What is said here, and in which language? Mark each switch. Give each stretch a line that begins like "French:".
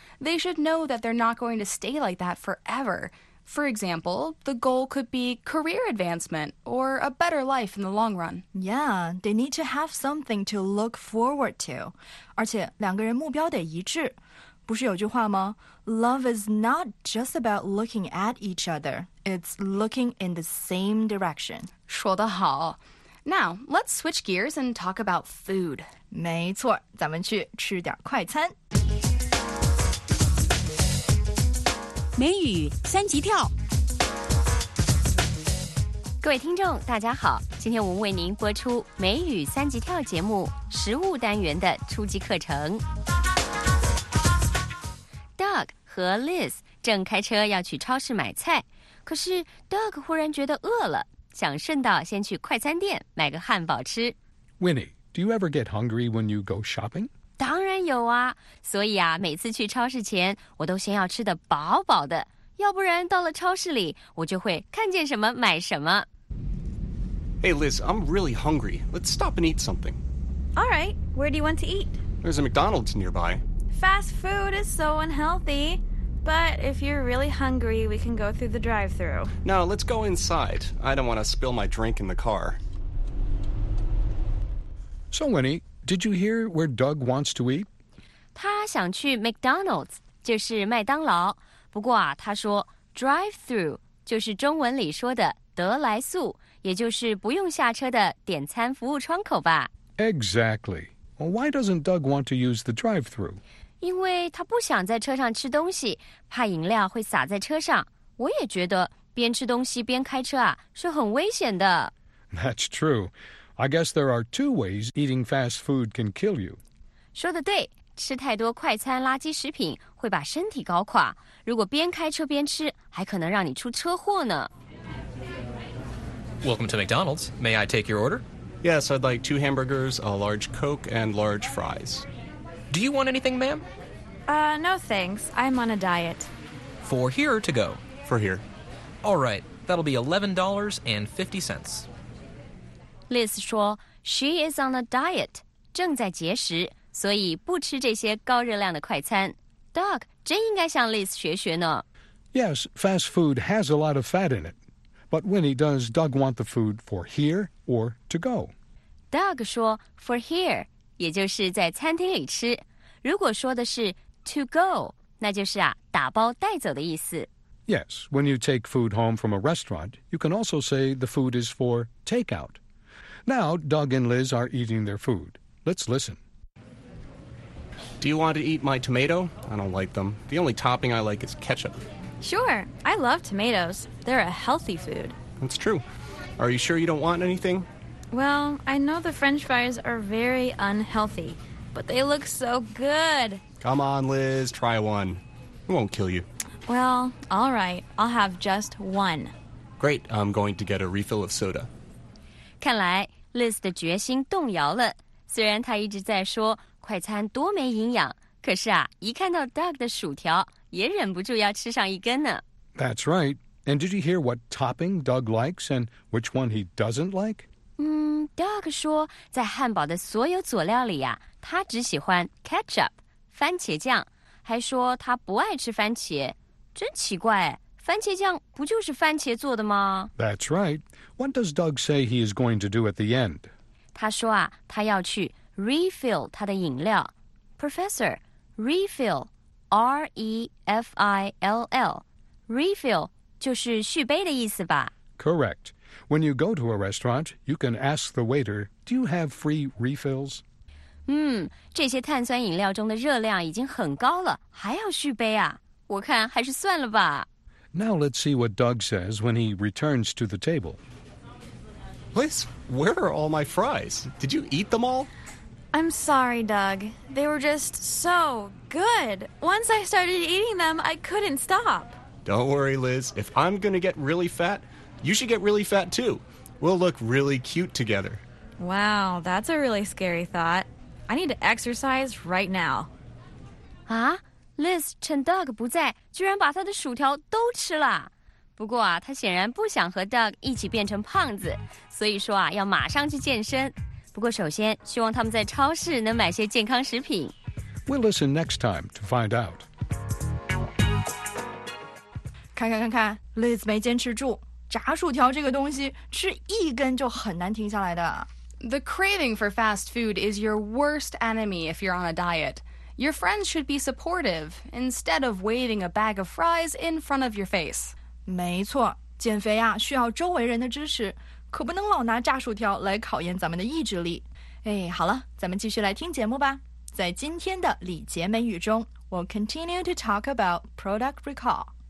English: They should know that they're not going to stay like that forever. For example, the goal could be career advancement or a better life in the long run. Yeah, they need to have something to look forward to.
Chinese: 而且两个人目标得一致。不是有句话吗？
English: Love is not just about looking at each other. It's looking in the same direction.
Chinese: 说得好。
English: Now, let's switch gears and talk about food.
Chinese: 没错，咱们去吃点快餐。美语三级跳，各位听众大家好，今天我们为您播出美语三级跳节目食物单元的初级课程。 Doug 和 Liz 正开车要去超市买菜，可是 Doug 忽然觉得饿了，想顺道先去快餐店买个汉堡吃。
English: Winnie, do you ever get hungry when you go shopping?
Chinese: 当然有啊，所以啊，每次去超市前，我都先要吃得饱饱的，要不然到了超市里，我就会看见什么买什么。
English: Hey Liz, I'm really hungry. Let's stop and eat something. All right, where do you want to eat? There's a McDonald's nearby. Fast food is so unhealthy, but if you're really hungry, we can go through the drive-thru. No, let's go inside. I don't want to spill my drink in the car. So Winnie,Did you hear where Doug wants to eat?
Chinese: 他想去 McDonald's, 就是麦当劳。不过啊，他说 drive-through 就是中文里说的得来速，也就是不用下车的点餐服务窗口吧。
English: Exactly. Well, why doesn't Doug want to use the drive-through?
Chinese: 因为他不想在车上吃东西，怕饮料会洒在车上。我也觉得边吃东西边开车啊，是很危险的。
English: That's true. I guess there are two ways eating fast food can kill you.
Chinese: 说得对，吃太多快餐垃圾食品会把身体搞垮。如果边开车边吃，还可能让你出车祸呢。
English: Welcome to McDonald's. May I take your order? Yes, I'd like two hamburgers, a large Coke, and large fries. Do you want anything, ma'am? No thanks. I'm on a diet. For here or to go? For here. All right, that'll be $11.50.
Chinese: Liz 说 ,
English: She is on a diet,
Chinese: 正在节食，所以不吃这些高热量的快餐。 Doug, 真应该向 Liz 学学呢。
English: Yes, fast food has a lot of fat in it. But Winnie, does Doug want the food for here or to go?
Chinese: Doug 说 ,
English: for here,
Chinese: 也就是在餐厅里吃。如果说的是
English: to go,
Chinese: 那就是啊打包带走的意思。
English: Yes, when you take food home from a restaurant, you can also say the food is for takeout. Now, Doug and Liz are eating their food. Let's listen. Do you want to eat my tomato? I don't like them. The only topping I like is ketchup. Sure, I love tomatoes. They're a healthy food. That's true. Are you sure you don't want anything? Well, I know the French fries are very unhealthy, but they look so good. Come on, Liz, try one. It won't kill you. Well, all right, I'll have just one. Great, I'm going to get a refill of soda.
Chinese: 看来 Liz 的决心动摇了。虽然她一直在说快餐多没营养，可是啊，一看到 Doug 的薯条，也忍不住要吃上一根呢。
English: That's right. And did you hear what topping Doug likes and which one he doesn't like?
Chinese: Doug 说在汉堡的所有佐料里啊，他只喜欢 ketchup, 番茄酱，还说他不爱吃番茄。真奇怪，番茄酱不就是番茄做的吗？
English: That's right. What does Doug say he is going to do at the end?
Chinese: 他说啊，他要去 refill 他的饮料。
English: Professor, refill, R-E-F-I-L-L.
Chinese: Refill 就是续杯的意思吧？
English: Correct. When you go to a restaurant, you can ask the waiter, do you have free refills?
Chinese: 这些碳酸饮料中的热量已经很高了，还要续杯啊？我看还是算了吧。
English: Now let's see what Doug says when he returns to the table. Liz, where are all my fries? Did you eat them all? I'm sorry, Doug. They were just so good. Once I started eating them, I couldn't stop. Don't worry, Liz. If I'm going to get really fat, you should get really fat too. We'll look really cute together. Wow, that's a really scary thought. I need to exercise right now.
Chinese: Huh? Liz 趁 Doug 不在，居然把他的薯条都吃了。不过啊，他显然不想和 Doug 一起变成胖子，所以说啊，要马上去健身。不过首先，希望他们在超市能买些健康食品。
English: We'll listen next time to find out.
Chinese: 看看 ，Liz 没坚持住。炸薯条这个东西，吃一根就很难停下来的。
English: The craving for fast food is your worst enemy if you're on a diet. Your friends should be supportive instead of waving a bag of fries in front of your face.
Chinese: 没错，减肥啊需要周围人的支持，可不能老拿炸薯条来考验咱们的意志力。哎，好了，咱们继续来听节目吧。在今天的礼节美语中
English: ，We'll continue to talk about product recall.